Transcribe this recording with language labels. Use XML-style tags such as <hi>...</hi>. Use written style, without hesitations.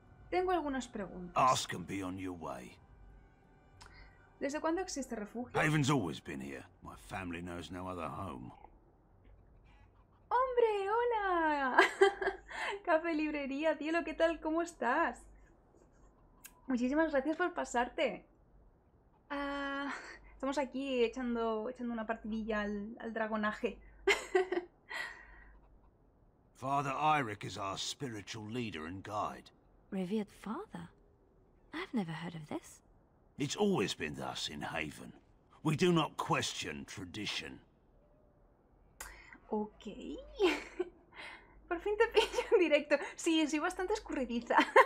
<es>Tengo algunas preguntas.</es> <en>Ask and be on your way.</en> <es>¿Desde cuándo existe refugio?</es> <en>Haven's always been here. My family knows no other home.</en> <es>¡Hombre, hola! Café librería, cielo, ¿qué tal? ¿Cómo estás? Muchísimas gracias por pasarte. Estamos aquí echando una partidilla al dragonaje.</es> <en>Father Eirik is our spiritual leader and guide. Revered father? I've never heard of this. It's always been thus in Haven. We do not question tradition. Ok.</en> <es>Por fin te pillo en directo. Sí, soy bastante escurridiza.</es>